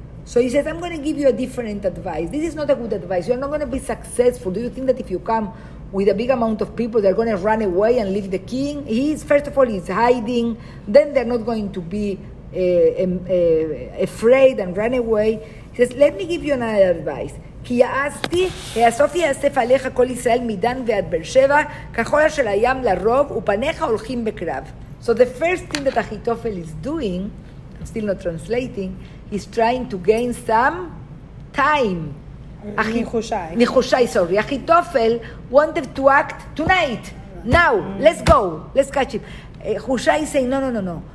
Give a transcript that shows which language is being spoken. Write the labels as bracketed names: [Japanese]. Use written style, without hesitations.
[English] So he says, I'm going to give you a different advice. This is not a good advice. You're not going to be successful. Do you think that if you come with a big amount of people, they're going to run away and leave the king? He is, first of all, he's hiding. Then they're not going to be afraid and run away. He says, let me give you another advice. [Hebrew] כי יעשתי, אסופי יאסף עליך כל ישראל מדן ועד בר שבע, כחול אשר הים לרוב, ופניך הולכים בקרב. [English] So the first thing that Achitofel is doing, I'm still not translating, he's trying to gain some time. [Hebrew] מחושי, [English] sorry. Achitofel wanted to act tonight. Now, let's go. Let's catch him. חושי is saying, no.